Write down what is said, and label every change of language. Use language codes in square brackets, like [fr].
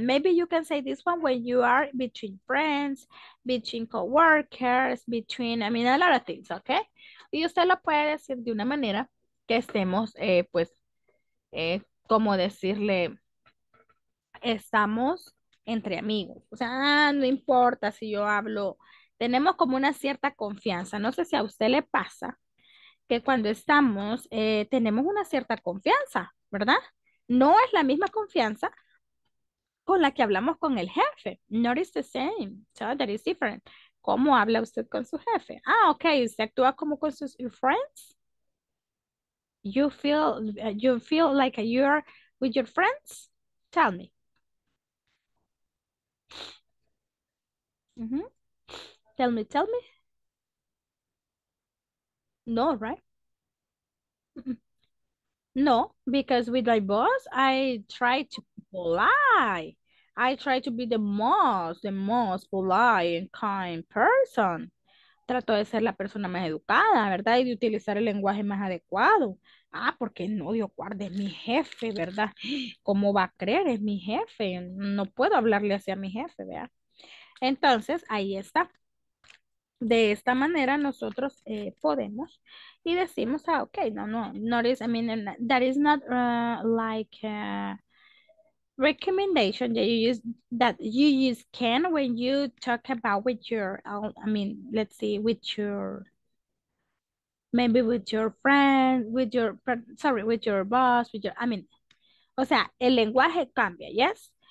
[en] Maybe you can say this one when you are between friends, between coworkers, between, I mean, a lot of things, okay? [es] Y usted lo puede decir de una manera que estemos, pues, como decirle, estamos entre amigos. O sea, ah, no importa si yo hablo, tenemos como una cierta confianza. No sé si a usted le pasa que cuando estamos, tenemos una cierta confianza, ¿verdad? No es la misma confianza con la que hablamos con el jefe. [en] Not is the same. So that is different. [es] ¿Cómo habla usted con su jefe? [en] Ah, ok. [es] ¿Usted actúa como con sus friends? [en] You feel like you are with your friends? Tell me. Tell me, tell me. No, right? No, because with my boss, I try to be polite. I try to be the most polite and kind person. [es] Trato de ser la persona más educada, ¿verdad? Y de utilizar el lenguaje más adecuado. Ah, porque no, Dios guarde, es mi jefe, ¿verdad? ¿Cómo va a creer? Es mi jefe. No puedo hablarle así a mi jefe, ¿verdad? Entonces, ahí está. De esta manera nosotros podemos y decimos, ah, ok, no, no, [en] no is, I mean, that is not like a recommendation that you use can when you talk about with your, I mean, let's see, with your, maybe with your friend, with your, sorry, with your boss, with your, I mean, [es] o sea, el lenguaje cambia, [en] yes.